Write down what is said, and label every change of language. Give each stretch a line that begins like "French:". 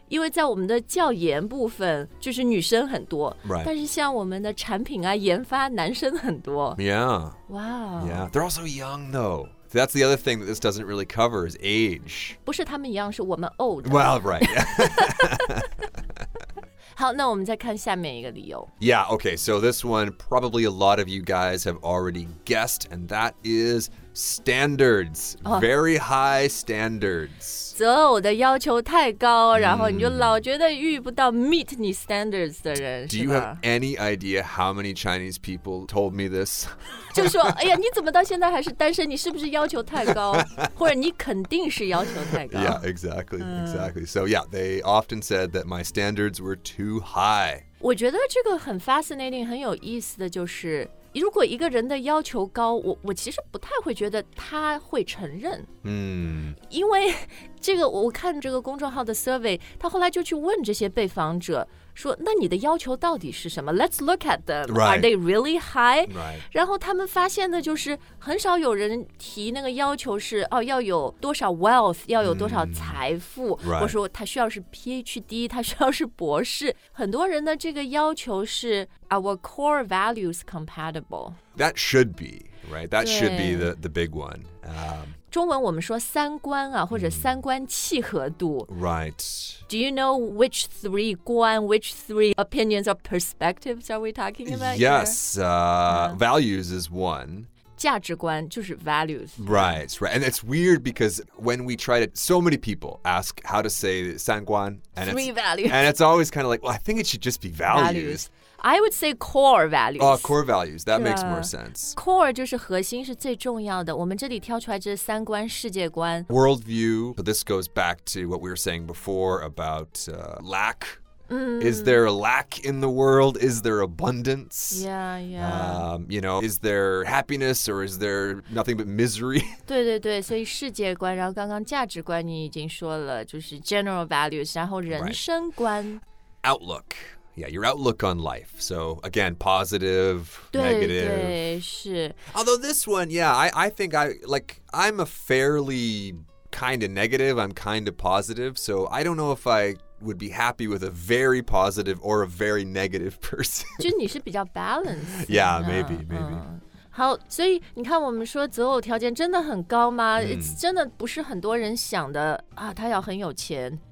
Chinese: 因为在我们的教研部分，就是女生很多。
English: Right.
Chinese: 但是像我们的产品啊，研发男生很多。
English: Yeah. Wow. Yeah. They're also young, though. That's the other thing that this doesn't really cover is age.
Chinese: 不是他们一样，是我们 old.
English: Well, right. Yeah.
Chinese: 好，那我们再看下面一个理由。
English: Yeah, okay, so this one, probably a lot of you guys have already guessed, and that is standards,、oh. very high standards.
Chinese: 择偶的要求太高，然后你就老觉得遇不到 meet 你 standards 的人，是吧？
English: Do you have any idea how many Chinese people told me this?
Chinese: 就说，哎呀，你怎么到现在还是单身？你是不是要求太高？或者你肯定是要求太高。
English: Yeah, exactly, exactly. So yeah, they often said that my standards were too high.
Chinese: 我觉得这个很 fascinating, 很有意思的就是如果一个人的要求高 我其实不太会觉得他会承认、因为这个我看这个公众号的 survey 他后来就去问这些被访者说那你的要求到底是什么
English: Let's look at them、 right. Are they really high?、 Right.
Chinese: 然后他们发现的就是很少有人提那个要求是、哦、要有多少 wealth 要有多少财富、
English: right.
Chinese: 或者说他需要是 PhD 他需要是博士很多人的这个要求是
English: Our core values compatible That should be right. That should be the big one、
Chinese: 中文我们说三观啊，或者三观契合度。
English: Right. Do you know which three 观, which three opinions or perspectives are we talking about? Yes, values is one.
Chinese: 价值观就是 values.
English: Right, right. And it's weird because when we try to, so many people ask how to say 三观. And three it's, values. And it's always kind of like, well, I think it should just be values. Values. I would say core values. Oh, core values. That makes more sense.
Chinese: Core 就是核心是最重要的。我们这里挑出来这三观、世界观。
English: Worldview. This goes back to what we were saying before about lack. Is there a lack in the world? Is there abundance? Yeah, yeah. You know, is there happiness or is there nothing but misery?
Chinese: 对对对，所以世界观，然后刚刚价值观你已经说了，就是 general values， 然后人生观。
English: Right. Outlook. Yeah, your outlook on life. So, again, positive,
Chinese: 对
English: negative.
Chinese: 对是
English: Although this one, yeah, I think I, like, I'm a fairly kind of negative. I'm kind of positive. So, I don't know if I would be happy with a very positive or a very negative person.
Chinese: 就你是比较 balanced.
English: Yeah, maybe, maybe.
Chinese: 好，所以你看，我们说择偶条件真的很高吗？ It's 真的不是很多人想的啊，他要很有钱。